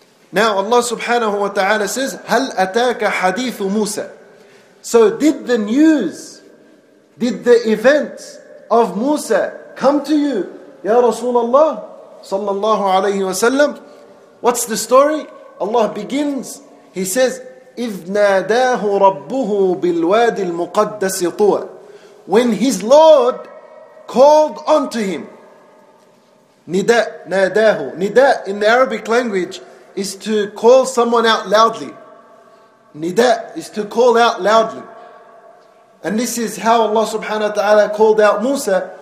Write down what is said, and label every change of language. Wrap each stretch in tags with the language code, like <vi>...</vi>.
<en>Now Allah subhanahu wa ta'ala says,</en> <ar>هَلْ أَتَاكَ حَدِيثُ مُوسَى.</ar> <en>So did the news, did the event of Musa come to you, Ya Rasulullah sallallahu alayhi wa sallam? What's the story? Allah begins, He says,</en> <ar>إِذْ نَادَاهُ رَبُّهُ بِالْوَادِ الْمُقَدَّسِ طُوَى.</ar> <en>When His Lord called unto Him. Nida, nadahu. Nida in the Arabic language is to call someone out loudly. Nida is to call out loudly. And this is how Allah subhanahu wa ta'ala called out Musa.</en>